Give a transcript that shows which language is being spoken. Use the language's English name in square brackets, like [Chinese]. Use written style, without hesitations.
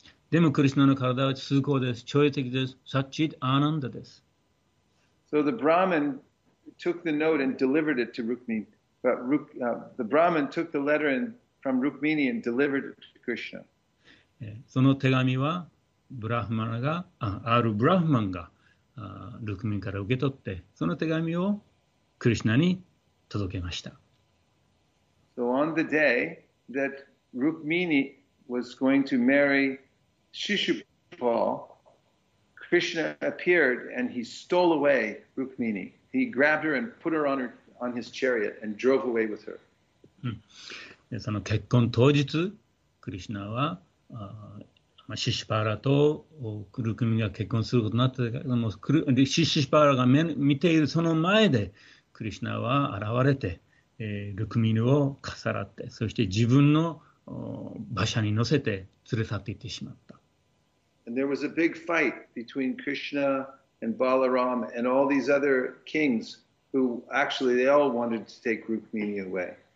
[Japanese] でも、クリシナの体は崇高です、超越的です、サッチッアナンダです。 [English] So the Brahmin took the note and delivered it to Rukmini. But the Brahmin took the letter from Rukmini and delivered it to Krishna. [Japanese] その手紙はブラフマンが、あるブラフマンがルクミンから受け取って、その手紙をクリシナに届けました。 [English] So on the day that Rukmini was going to marry Shishupal, Krishna appeared and he stole away Rukmini. He grabbed her and put her on her on his chariot and drove away with her. [Japanese] その結婚当日、クリシナはシシュパーラとルクミが結婚することになってたけども、シシュパーラが見ているその前でクリシナは現れて、ルクミをかさらって、そして自分の馬車に乗せて連れ去っていってしまった。 [English] And there was a big fight between Krishna and Balaram and all these other kings who actually they all wanted to take Rukmini away.